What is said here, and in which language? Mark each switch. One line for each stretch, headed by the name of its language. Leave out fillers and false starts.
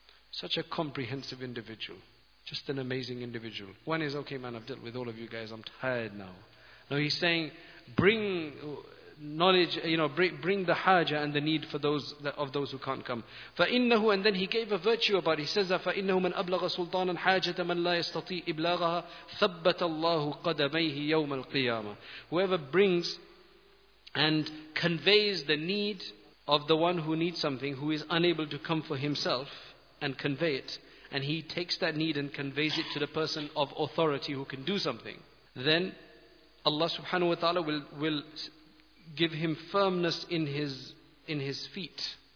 English: Such a comprehensive individual. Just an amazing individual. One is, okay man, I've dealt with all of you guys, I'm tired now. No, he's saying, bring knowledge, you know, bring the haja and the need for those of those who can't come.
Arabic: فَإِنَّهُ,
English: and then he gave a virtue about it. He says that,
Arabic: فَإِنَّهُ مَنْ أَبْلَغَ سُلْطَانًا حَاجَةً مَنْ لَا يَسْتَطِيْ إِبْلَغَهَا ثَبَّتَ اللَّهُ قَدَمَيْهِ يَوْمَ الْقِيَامَةِ.
English: Whoever brings and conveys the need of the one who needs something, who is unable to come for himself and convey it, and he takes that need and conveys it to the person of authority who can do something, then Allah subhanahu wa ta'ala will give him firmness in his feet.